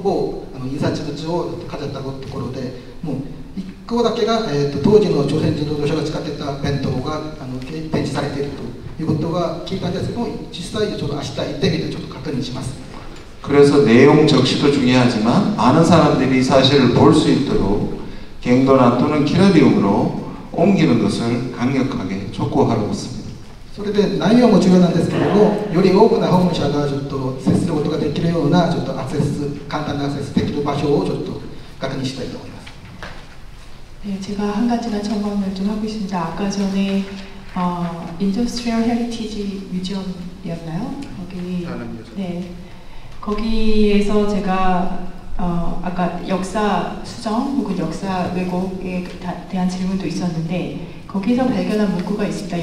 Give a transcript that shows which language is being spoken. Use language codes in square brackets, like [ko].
[ja] 実際行ってみて確認するんですけども、私がネットで調べた限りではキラリウムは駐車台も170台くらいで、展示口も結構数も多くて人気のある展示口で、それで登録後でも結構多いのか、訪問者がいると思ってるんですけども、相川共同博物館は駐車台は20台ぐらいで、展示口もほぼ印刷口を飾ったところで、もう 1個だけが当時の朝鮮人労働者が使ってた弁当が展示されているということが聞いたんですけども、実際ちょっと明日行ってみてちょっと確認します。 [ko] 그래서 내용 적시도 중요하지만 많은 사람들이 사실을 볼 수 있도록 갱도나 또는 키라디움으로 옮기는 것을 강력하게 촉구하고 있습니다. [ja] それで内容も重要なんですけども、より多くの訪問者がちょっと接することができるような、ちょっとアクセス簡単なアクセスできる場所をちょっと確認したいと思います。 [ko] 네, 제가 한 가지만 점검을 좀 하고 있습니다. 아까 전에 인더스트리얼 헤리티지 뮤지엄이었나요? 거기에서 제가 아까 역사 수정 혹은 역사 왜곡에 대한 질문도 있었는데 거기서 발견한 문구가 있습니다.